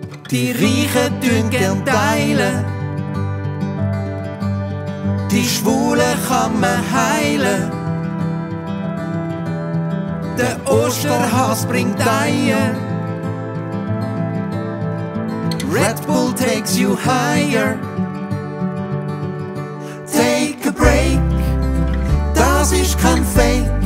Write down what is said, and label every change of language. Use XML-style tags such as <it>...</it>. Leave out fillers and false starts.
<de>Die Reichen tun gern teilen. Die Schwulen kann man heilen. Der Osterhass bringt Eier.</de> <en>Red Bull takes you higher. Take a break,</en> <de>das ist kein Fake.</de>